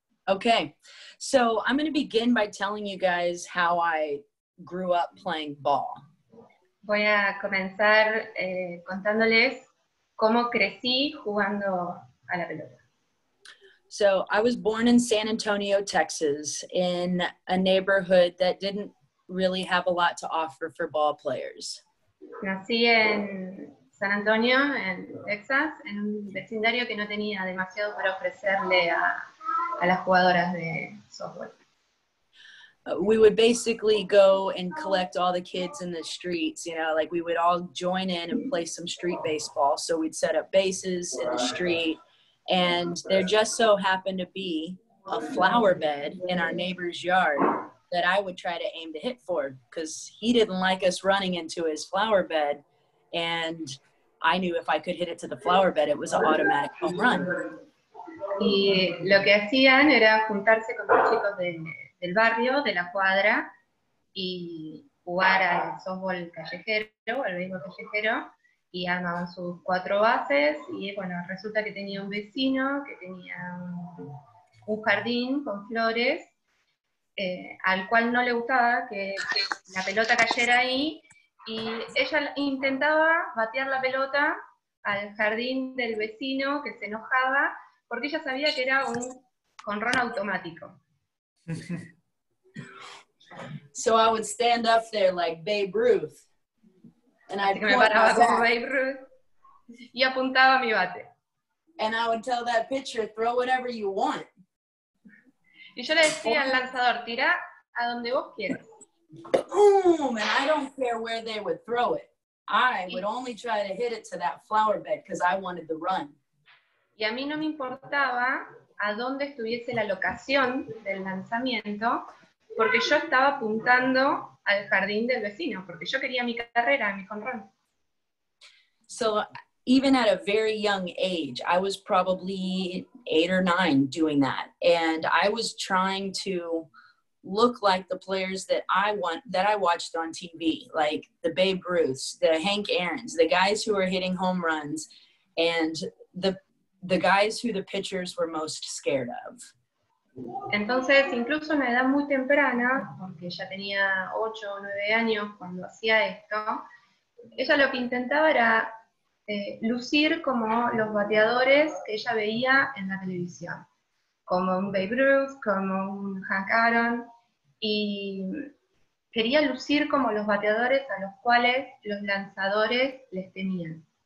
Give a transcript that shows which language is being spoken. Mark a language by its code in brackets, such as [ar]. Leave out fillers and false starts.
[en] Okay, so I'm going to begin by telling you guys how I grew up playing ball. [es] Voy a comenzar contándoles cómo crecí jugando a la pelota. [en] So I was born in San Antonio, Texas, in a neighborhood that didn't really have a lot to offer for ball players. [es] Nací en San Antonio, en Texas, en un vecindario que no tenía demasiado para ofrecerle a las jugadoras de softball. [en] We would basically go and collect all the kids in the streets, you know, like we would all join in and play some street baseball. So we'd set up bases in the street, and there just so happened to be a flower bed in our neighbor's yard that I would try to aim to hit for, because he didn't like us running into his flower bed, and I knew if I could hit it to the flower bed, it was an automatic home run. [es] Y lo que hacían era juntarse con los chicos del barrio, de la cuadra, y jugar al softball callejero, al béisbol callejero, y armaban sus cuatro bases, y bueno, resulta que tenía un vecino que tenía un jardín con flores, al cual no le gustaba que la pelota cayera ahí, y ella intentaba batear la pelota al jardín del vecino, que se enojaba, porque ella sabía que era un jonrón automático. [en] So I would stand up there like Babe Ruth. And I'd [es] me paraba como Babe Ruth y apuntaba mi bate. [en] And I would tell that pitcher, throw whatever you want. [es] Y yo le decía al lanzador, tira a donde vos quieras. [en] Boom! And I don't care where they would throw it. I would only try to hit it to that flower bed because I wanted the run. [es] Y a mí no me importaba a dónde estuviese la locación del lanzamiento, porque yo estaba apuntando al jardín del vecino, porque yo quería mi carrera, mi jonrón. [en] So, even at a very young age, I was probably 8 or 9 doing that. And I was trying to look like the players that I watched on TV, like the Babe Ruths, the Hank Aarons, the guys who are hitting home runs, and the guys who the pitchers were most scared of. [es] Entonces, incluso en una edad muy temprana, porque ella tenía 8 o 9 años cuando hacía esto, ella lo que intentaba era lucir como los bateadores que ella veía en la televisión, como un Babe Ruth, como un Hank Aaron, y quería lucir como los bateadores a los cuales los lanzadores les temían.